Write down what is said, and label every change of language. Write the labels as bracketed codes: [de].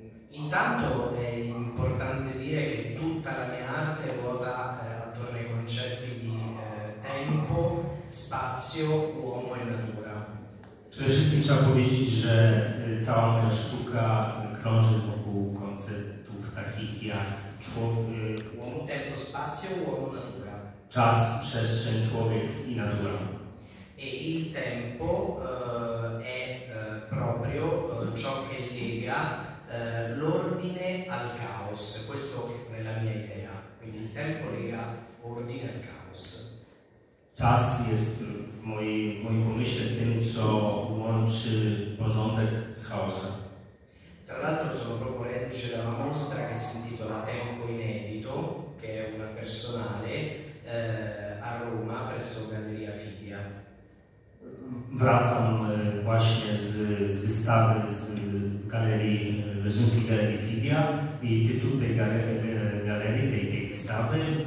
[it] Intanto è importante dire che tutta la mia arte ruota attorno ai concetti di tempo, spazio, uomo e natura. [pl] Tu jesteś chciał powiedzieć, że cała moja sztuka krąży wokół konceptów takich jak [it] Uomo, tempo, spazio, uomo, natura. [pl] czas, przestrzeń, człowiek i natura. [it] E il tempo è proprio ciò che lega l'ordine al caos, questo è la mia idea. Quindi il tempo lega ordine al caos. [pl] Czas jest w moim pomyśle tym, co łączy porządek z chaosem. [it] Tra l'altro sono proprio reduce da una mostra che si intitola Tempo Inedito, che è una personale, a Roma presso Galleria Figlia. [pl] Wracam właśnie z wystawy w galerii, w Rzymskiej Galerii Figlia i tytuł tej galerii, tej wystawy,